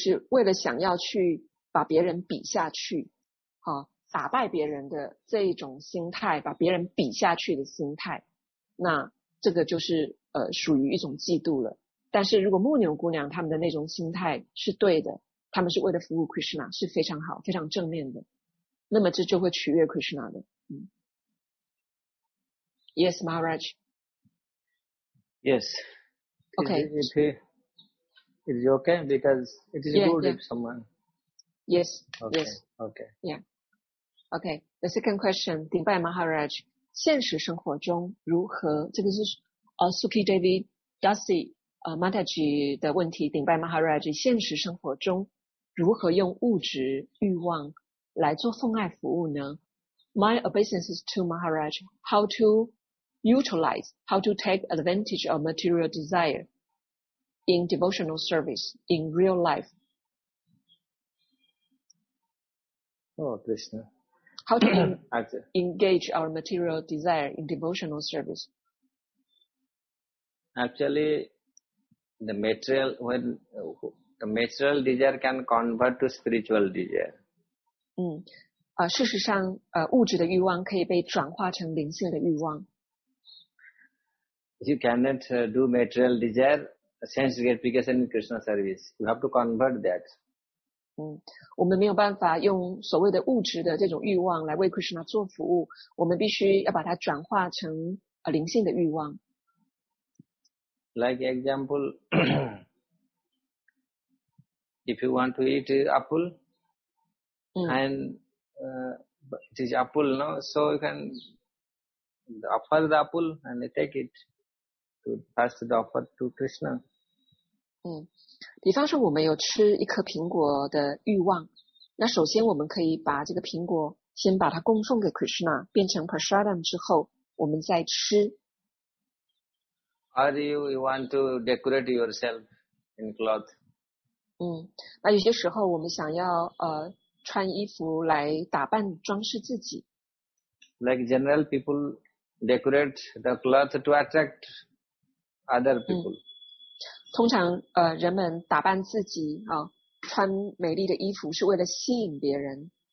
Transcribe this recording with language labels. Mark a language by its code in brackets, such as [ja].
[zh] 为了想要去把别人比下去打败别人的这一种心态把别人比下去的心态那这个就是属于一种嫉妒了但是如果牧牛姑娘他们的那种心态是对的他们是为了服务 Krishna 是非常好非常正面的那么这就会取悦 Krishna 的、 [en] Yes Maharaj Yes OK if, if, It is okay because it is good if someone. Yes. Okay. Yes. Okay. Yeah. Okay. The second question, Dimbai Maharaj, [zh] 现实生活中如何？这个是Suki Devi Dasi Mataji 的问题。 Dimbai Maharaj, 现实生活中如何用物质欲望来做奉爱服务呢？ [en] My obeisances to Maharaj, how to utilize, how to take advantage of material desire in devotional service, in real life. Oh, Krishna. How to engage our material desire in devotional service? Actually, the material, when the material desire can convert to spiritual desire. Mm. [zh] 事实上物质的欲望可以被转化成灵性的欲望。 [en] You cannot do material desire, sense gratification in Krishna service. You have to convert that. [zh] 我们没有办法用所谓的物质的这种欲望来为 Krishna 做服务，我们必须要把它转化成灵性的欲望。 [en] Like example, if you want to eat apple, and it is apple, no? So you can offer the apple and take it. To pass the offer to Krishna. [zh] 比方说我们有吃一颗苹果的欲望，那首先我们可以把这个苹果先把它供奉给 Krishna， 变成 prasadam 之后，我们再吃。 [en] Or you want to decorate yourself in cloth? [zh] 那有些时候我们想要穿衣服来打扮装饰自己。 [en] Like general people decorate the cloth to attract other people. [zh] 通常人们打扮自己穿美丽的衣服是为了吸引别人。